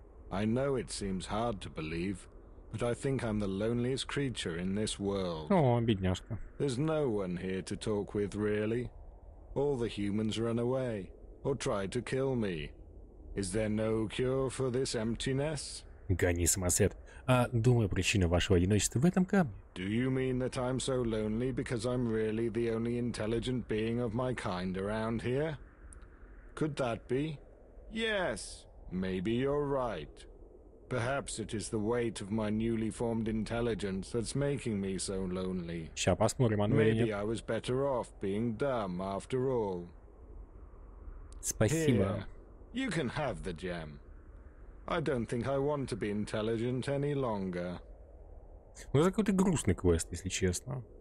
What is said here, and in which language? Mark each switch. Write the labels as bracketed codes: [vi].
[en] I know it seems hard to believe, but I think I'm the loneliest creature in this world. [ru] О, бедняжка. [en] There's no one here to talk with, really. All the humans run away, or try to kill me. Is there no cure for this emptiness? [ru] Гони, самосед. А, думаю, причина вашего одиночества в этом камне. [en] Do you mean that I'm so lonely because I'm really the only intelligent being of my kind around here? Could that be? Yes, maybe you're right. Perhaps it is the weight of my newly formed intelligence that's making me so lonely. [ru] Сейчас посмотрим, он maybe меня. [en] I was better off being dumb after all. [ru] Спасибо. [en] Here, you can have the gem. I don't think I want to be intelligent any longer. [ru] Ну, это какой-то грустный квест, если честно.